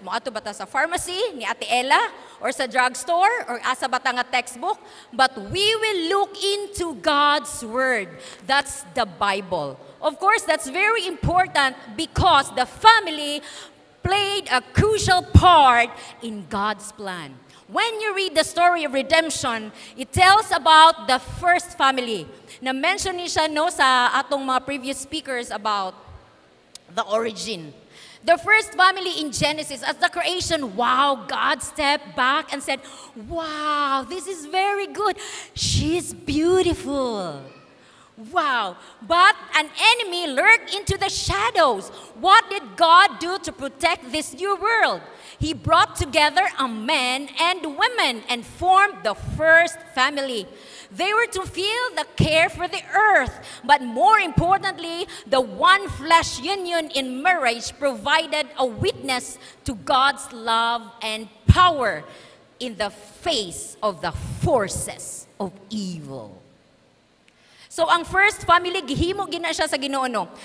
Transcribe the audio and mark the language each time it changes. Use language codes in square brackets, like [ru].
[ceb] Mo ato bata sa pharmacy ni Ate Ella or sa drugstore or asa bata nga textbook, [en] but we will look into God's word. That's the Bible. Of course, that's very important because the family played a crucial part in God's plan. When you read the story of redemption, it tells about the first family. [ceb] Na mention ni siya no sa atong mga previous speakers [en] about the origin. The first family in Genesis, as the creation, wow, God stepped back and said, wow, this is very good. She's beautiful. Wow. But an enemy lurked into the shadows. What did God do to protect this new world? He brought together a man and women and formed the first family. They were to feel the care for the earth, but more importantly, the one flesh union in marriage provided a witness to God's love and power in the face of the forces of evil. [ceb] So ang first family, gihimo gina siya sa Ginoo no.